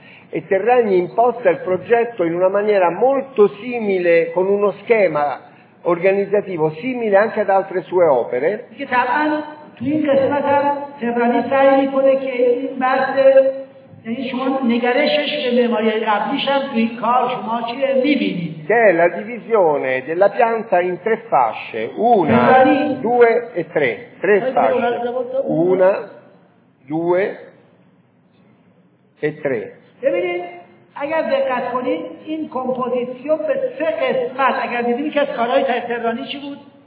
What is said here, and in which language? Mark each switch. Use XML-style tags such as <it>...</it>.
<it>E Terragni imposta il progetto in una maniera molto simile, con uno schema organizzativo simile anche ad altre sue opere.</it> <fa>تو این قسمت هم تهرانی سعی میکنه که این بحث یعنی شما نگرشش به معماری قبلیش هم تو این کار شما چی رو میبینید</fa> <it>che è la divisione della pianta in tre fasce, una, Terrani, due e tre, tre fasce, una, due e tre.</it> <fa>ببینید اگر دقت کنید این کمپوزیسیون به سه قسمت اگر دیدید که از کارهای تهرانی چی بود</fa>